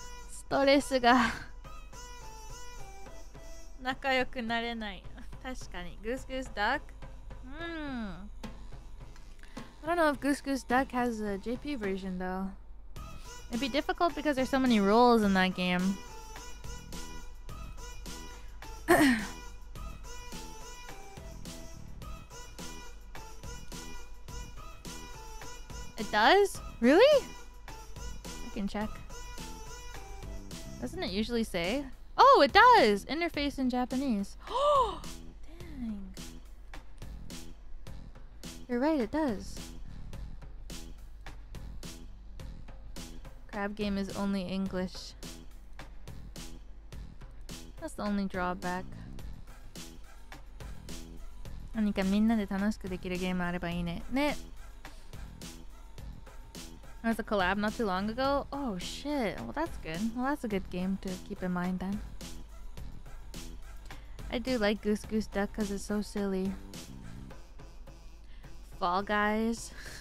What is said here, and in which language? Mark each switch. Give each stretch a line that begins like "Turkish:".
Japanese: ストレスが仲良くなれない。確かに。グスグスダック？
English: I don't know if Goose Goose Duck has a JP version though. It'd be difficult because there's so many rules in that game. It does? Really? I can check. Doesn't it usually say? Oh, it does! Interface in Japanese. Dang. You're right, it does. Crab game is only English. That's the only drawback.
Japanese: なんかみんなで楽しくできるゲームあればいいね。ね。
English: There was a collab not too long ago. Oh shit. Well, that's good. Well, that's a good game to keep in mind then. I do like Goose Goose Duck because it's so silly. Fall Guys.